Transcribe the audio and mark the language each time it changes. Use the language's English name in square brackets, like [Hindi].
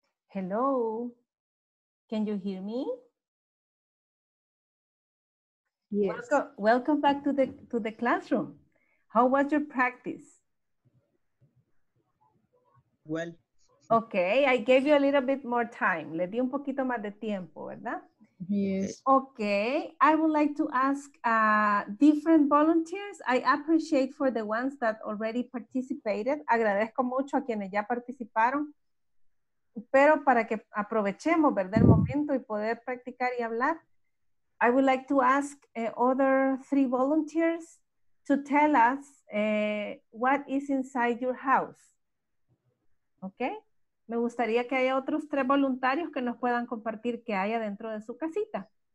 [English] Hello. Can you hear me? Yes. Welcome back to the classroom. How was your practice? Well. Okay, I gave you a little bit more time. [Spanish] Le di un poquito más de tiempo, ¿verdad? [English] Yes. Okay, I would like to ask different volunteers. I appreciate for the ones that already participated. [Spanish] Agradezco mucho a quienes ya participaron. Pero para que aprovechemos, ¿verdad? El momento y poder practicar y hablar. [English] I would like to ask other three volunteers to tell us what is inside your house. Okay. [Spanish] Me gustaría que haya otros tres voluntarios que nos puedan compartir qué hay adentro de su casita.